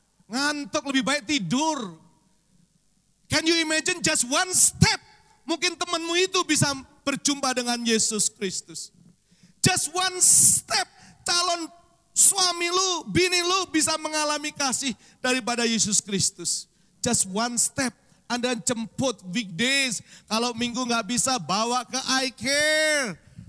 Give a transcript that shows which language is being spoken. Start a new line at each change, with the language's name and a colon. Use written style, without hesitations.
Indonesian: Ngantuk, lebih baik tidur.
English: Can you imagine just one step?
Indonesian: Mungkin temanmu itu bisa berjumpa dengan Yesus Kristus.
English: Just one step,
Indonesian: calon suami lu, bini lu bisa mengalami kasih daripada Yesus Kristus.
English: Just one step,
Indonesian: Anda jemput weekdays. Kalau minggu gak bisa, bawa ke iCare.